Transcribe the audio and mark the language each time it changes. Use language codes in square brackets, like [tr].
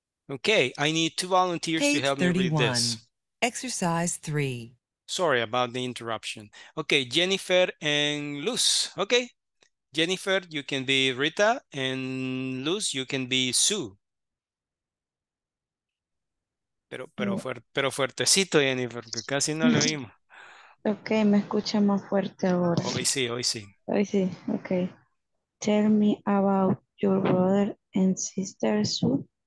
[en] Okay, I need two volunteers Page to help 31. Me read this. Exercise 3. Sorry about the interruption. Okay, Jennifer and Luz. Okay, Jennifer, you can be Rita, and Luz, you can be Sue. [es] Pero fuertecito, Jennifer, que casi no lo vimos. Okay, me escucha más fuerte ahora. Hoy sí. Hoy sí, okay. [en] Tell me about your brother and sister, Sue.